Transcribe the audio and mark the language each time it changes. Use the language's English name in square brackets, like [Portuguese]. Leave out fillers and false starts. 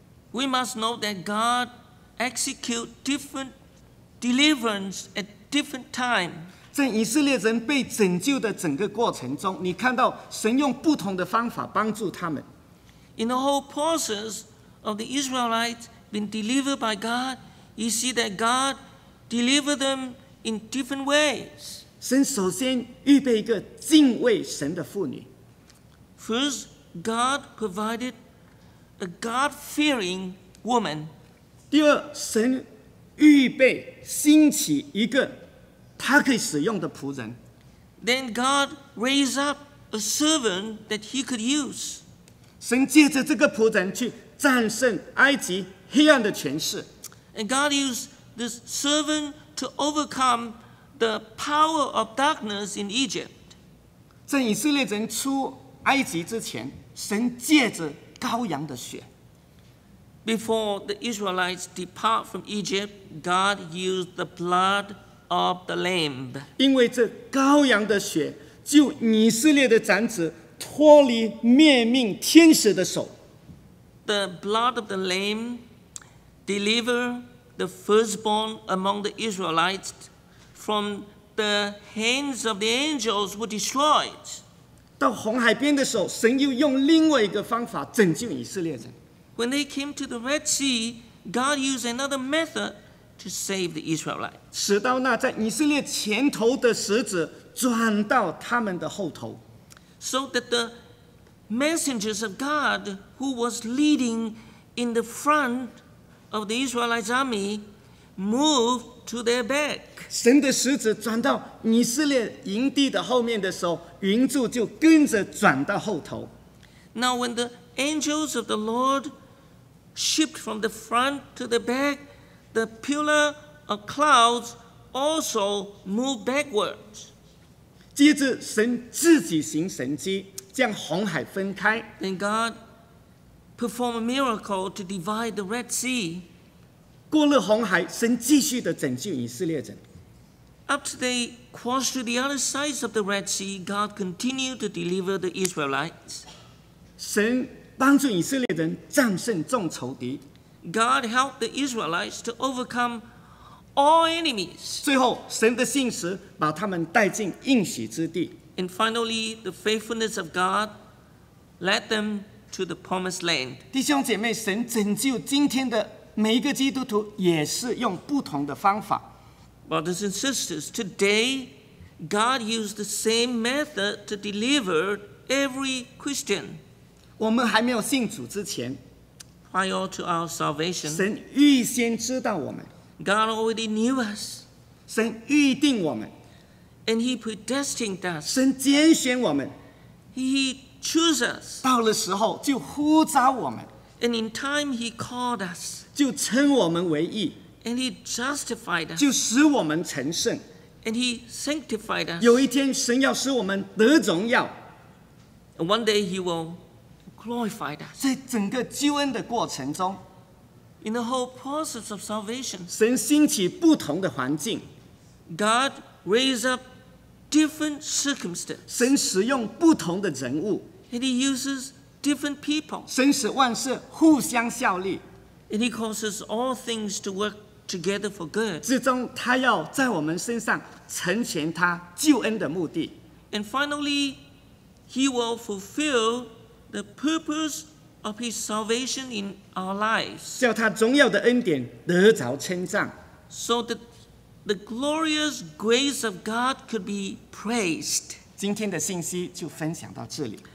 [English] We must know that God execute different deliverance at different time. [Chinese] 在以色列人被拯救的整个过程中，你看到神用不同的方法帮助他们。 [English] In the whole process of the Israelites being delivered by God, you see that God deliver themIn different ways. [Chinese] 神首先预备一个敬畏神的妇女。 [English] First, God provided a God-fearing woman. [Chinese] 第二，神预备兴起一个他可以使用的仆人。 [English] Then God raised up a servant that he could use. [Chinese] 神借着这个仆人去战胜埃及黑暗的权势。 [English] And God used this servant. To overcome the power of darkness in Egypt. [Chinese] 在以色列人出埃及之前，神借着羔羊的血。 [English] Before the Israelites depart from Egypt, God used the blood of the lamb. [Chinese] 因为这羔羊的血救以色列的长子脱离灭命天使的手。 [English] The blood of the lamb delivered. The firstborn among the Israelites from the hands of the angels were destroyed. [Chinese] 到红海边的时候，神又用另外一个方法拯救以色列人。 [English] When they came to the Red Sea, God used another method to save the Israelites. [Chinese] 使到那在以色列前头的石子转到他们的后头。 [English] So that the messengers of God who was leading in the front. Of the Israelite army, move to their back. [Chinese] 神的石子转到以色列营地的后面的时候，云柱就跟着转到后头。 [English] Now, when the angels of the Lord shipped from the front to the back, the pillar of clouds also moved backwards. [Chinese] 接着神自己行神迹，将红海分开。 [English] Then God performed a miracle to divide the Red Sea. [Chinese] 过了红海，神继续的拯救以色列人。 [English] After they crossed to the other sides of the Red Sea, God continued to deliver the Israelites. [Chinese] 神帮助以色列人战胜众仇敌。 [English] God helped the Israelites to overcome all enemies. [Chinese] 最后，神的信实把他们带进应许之地。 [English] And finally, the faithfulness of God led them to the promised land. [Chinese] 弟兄姐妹，神拯救今天的每一个基督徒，也是用不同的方法。 [English] Brothers and sisters, today God used the same method to deliver every Christian. [Chinese] 我们还没有信主之前， [English] prior to our salvation, [Chinese] 神预先知道我们。 [English] God already knew us. [Chinese] 神预定我们。 [English] And He predestined us. [Chinese] 神拣选我们。 [English] He chose us. [Chinese] 到了时候就呼召我们。 [English] And in time He called us. [Chinese] 就称我们为义。 [English] And He justified us. [Chinese] 就使我们成圣。 [English] And He sanctified us. [Chinese] 有一天神要使我们得荣耀。 [English] And one day He will glorify us. [Chinese] 在整个救恩的过程中， [English] in the whole process of salvation, [Chinese] 神兴起不同的环境， [English] God raised up different circumstances. [Chinese] 神使用不同的人物， [English] and He uses different people. [Chinese] 神使万事互相效力， [English] and He causes all things to work together for good. [Chinese] 最终他要在我们身上成全他救恩的目的， [English] and finally, He will fulfill the purpose of His salvation in our lives. [Chinese] 叫他荣耀的恩典得着称赞。 [English] So that the glorious grace of God could be praised. [Chinese] 今天的信息就分享到这里。